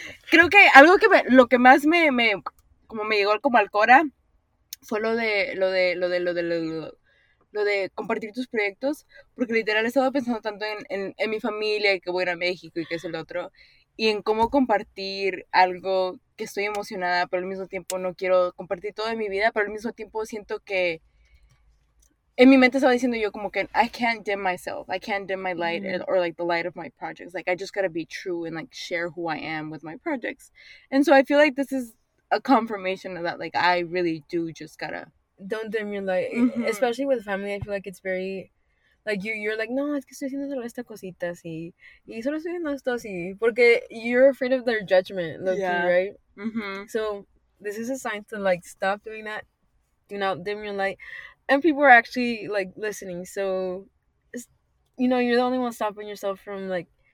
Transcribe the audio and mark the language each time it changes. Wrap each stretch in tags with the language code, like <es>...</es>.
<es>Creo que algo que lo que más me como me llegó como al cora fue lo de compartir tus proyectos, porque literal he estado pensando tanto en mi familia y que voy a México y que es el otro, y en cómo compartir algo que estoy emocionada, pero al mismo tiempo no quiero compartir todo de mi vida, pero al mismo tiempo siento que en mi mente estaba diciendo yo como que</es> <en>I can't dim myself. I can't dim my light or like the light of my projects. Like I just gotta be true and like share who I am with my projects. And so I feel like this is a confirmation of that. Like I really do just gotta. Don't dim your light. Mm-hmm. Especially with family, I feel like it's very. Like you're like, no,</en> <es>es que estoy haciendo solo esta cosita así. Y solo estoy haciendo esto así.</es> <en>Porque you're afraid of their judgment, lucky, yeah. Right? Mm-hmm. So this is a sign to like stop doing that. Do not dim your light. And people are actually, like, listening. So, you know, you're the only one stopping yourself from, like,</en>